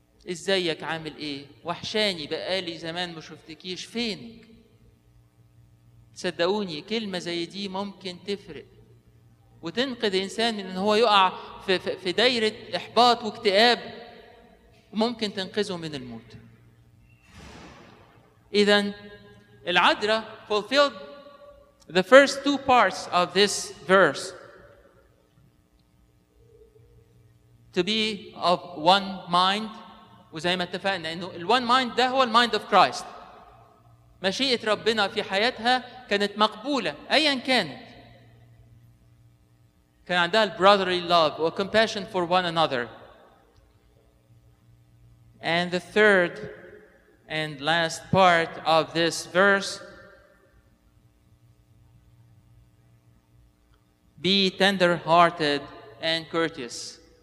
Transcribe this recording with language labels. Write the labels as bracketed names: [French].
[Arabic] إزايك، عامل إيه؟ وحشاني، بقالي زمان مشوفتكيش، فينك؟ تصدقوني كلمة زي دي ممكن تفرق وتنقذ إنسان من أن هو يقع في دايرة إحباط واكتئاب، وممكن تنقذه من الموت. إذن العذراء [English] fulfilled the first two parts of this verse to be of one mind. [Arabic] وزي ما اتفقنا إنه ال [English] one mind [Arabic] ده هو ال [English] mind of Christ. [Arabic] مشيئة ربنا في حياتها كانت مقبولة أيا كانت. كان عندها ال [English] brotherly love or compassion for one another. And the third and last part of this verse: be tender-hearted and courteous.